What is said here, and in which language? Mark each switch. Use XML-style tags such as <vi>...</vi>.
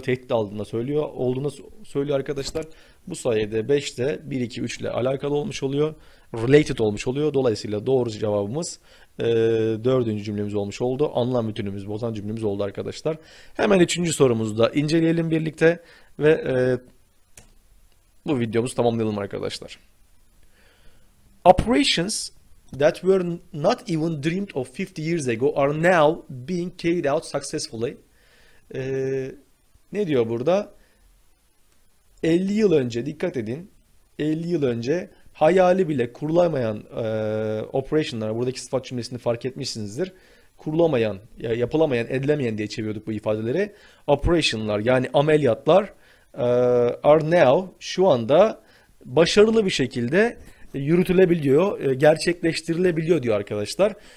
<tr>Tehdit altında söylüyor, olduğunu söylüyor arkadaşlar. Bu sayede 5'te 1, 2, 3 ile alakalı olmuş oluyor. Related olmuş oluyor. Dolayısıyla doğru cevabımız dördüncü cümlemiz olmuş oldu. Anlam bütünümüz bozan cümlemiz oldu arkadaşlar. Hemen üçüncü sorumuzu da inceleyelim birlikte ve bu videomuzu tamamlayalım arkadaşlar.</tr> <en>Operations that were not even dreamed of 50 years ago are now being carried out successfully.</en> <tr>Ne diyor burada? 50 yıl önce, dikkat edin, 50 yıl önce hayali bile kurulamayan operationlar, buradaki sıfat cümlesini fark etmişsinizdir. Kurulamayan, yapılamayan, edilemeyen diye çeviriyorduk bu ifadeleri. Operationlar, yani ameliyatlar</tr> <en>are now,</en> <tr>şu anda başarılı bir şekilde yürütülebiliyor, gerçekleştirilebiliyor diyor arkadaşlar.</tr>